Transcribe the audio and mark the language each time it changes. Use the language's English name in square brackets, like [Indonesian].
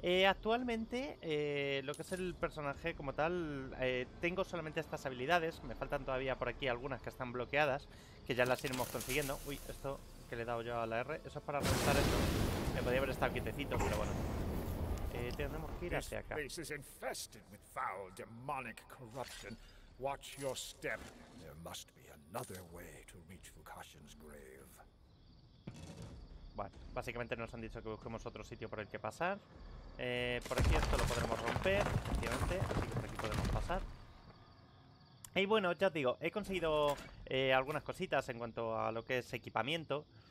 [Spanish] Actualmente, lo que es el personaje como tal, tengo solamente estas habilidades. Me faltan todavía por aquí algunas que están bloqueadas, que ya las iremos consiguiendo. Uy, esto que le he dado yo a la R, eso es para reventar esto. Me podría haber estado quietecito, pero bueno. Tenemos que ir hacia acá. [English] This place is infested with foul, demonic corruption. Watch your step. There must be another way to reach Fukushin's grave. [Spanish] Bueno, básicamente nos han dicho que busquemos otro sitio por el que pasar. Por aquí esto lo podremos romper, efectivamente. Así que por aquí podemos pasar. Y bueno, ya os digo, he conseguido algunas cositas en cuanto a lo que es equipamiento.